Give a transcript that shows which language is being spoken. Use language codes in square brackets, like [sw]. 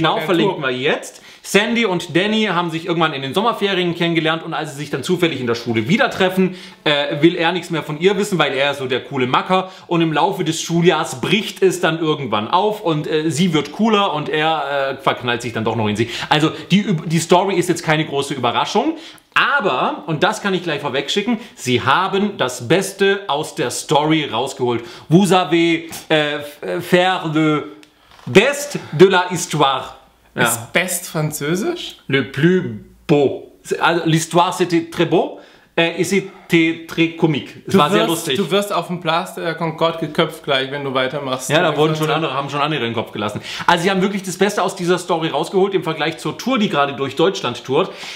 [de] Genau, verlinken wir jetzt. Sandy und Danny haben sich irgendwann in den Sommerferien kennengelernt und als sie sich dann zufällig in der Schule wieder treffen, will er nichts mehr von ihr wissen, weil er so der coole Macker und im Laufe des Schuljahres bricht es dann irgendwann auf und sie wird cooler und er verknallt sich dann doch noch in sie. Also die Story ist jetzt keine große Überraschung, aber, und das kann ich gleich vorweg schicken, sie haben das Beste aus der Story rausgeholt. [fr] Vous avez faire le best de la histoire. [de] Ja. Ist best französisch? [fr] Le plus beau. [de] Also, [fr] l'histoire c'était très beau et c'était très comique. [de] Es war sehr lustig. Du wirst auf dem Place de Concorde geköpft gleich, wenn du weitermachst. Ja, da wurden schon andere, haben schon andere den Kopf gelassen. Also, sie haben wirklich das Beste aus dieser Story rausgeholt im Vergleich zur Tour, die gerade durch Deutschland tourt.